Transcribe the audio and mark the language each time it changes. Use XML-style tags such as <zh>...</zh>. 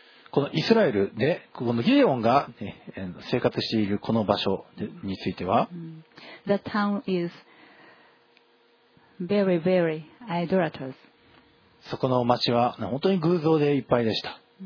<ja>このイスラエルでこのギデオンが、ね、生活しているこの場所については、</ja> <en>The town is very, very idolatrous.</en> <ja>そこの町は本当に偶像でいっぱいでした。</ja>